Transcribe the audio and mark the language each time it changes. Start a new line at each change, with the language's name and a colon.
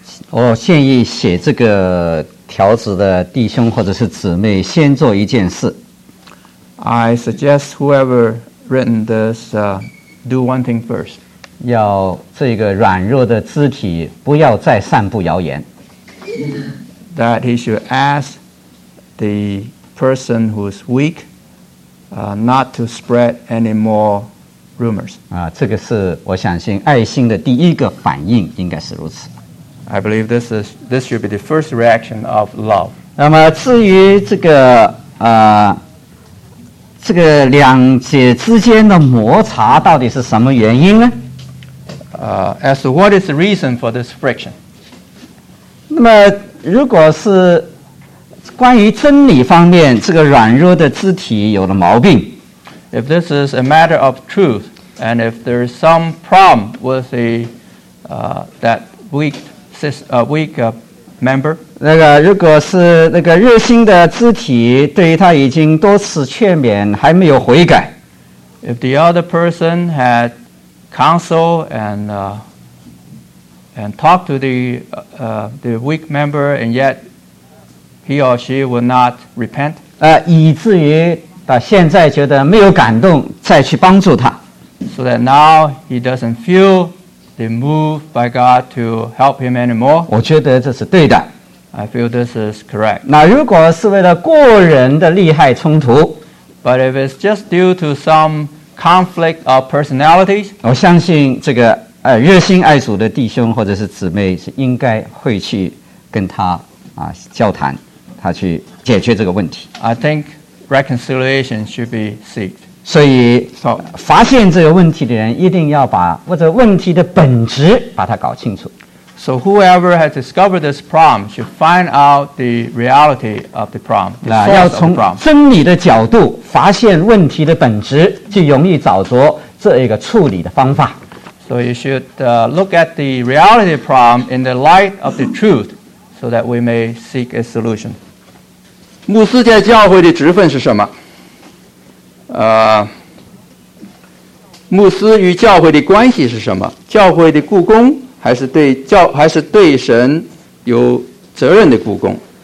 Chinese: 我建议写这个条子的弟兄或者是姊妹先做一件事。
English: I suggest whoever written this, do one thing first.
Chinese: 要这个软弱的肢体不要再散布谣言。
English: That he should ask the person who is weak not to spread any more rumors.
Chinese: 这个是我相信爱心的第一个反应，应该是如此。
English: I believe this should be the first reaction of love.
Chinese: 那么至于这个这个两者之间的摩擦到底是什么原因呢？
English: As to what is the reason for this friction?
Chinese: 那么如果是关于真理方面，这个软弱的肢体有了毛病。
English: If this is a matter of truth, and if there is some problem with the, that weak, weak member.
Chinese: 那个如果是那个热心的肢体对于他已经多次劝勉还没有悔改。
English: If the other person had counsel and,and talk to the weak member, and yet he or she will not repent.
Chinese: 以至于到现在觉得没有感动，再去帮助他。
English: So that now he doesn't feel the move by God to help him anymore.
Chinese: 我觉得这是对的。
English: I feel this is correct.
Chinese: 那如果是为了个人的利害冲突
English: ，But if it's just due to some conflict of personalities,
Chinese: 我相信这个。热心爱主的弟兄或者是姊妹是应该会去跟他交谈，他去解决这个问题。
English: I think reconciliation should be sought.
Chinese: 所以发现这个问题的人一定要把或者问题的本质把它搞清楚。
English: So whoever has discovered this problem should find out the reality of the problem.
Chinese: 那要从真理的角度发现问题的本质，就容易找着这一个处理的方法。
English: So you should look at the reality problem in the light of the truth, so that we may seek a solution.
Chinese: 牧师在教会的职分是什么？牧师与教会的关系是什么？教会的雇工还是对教还是对神有责任的雇工？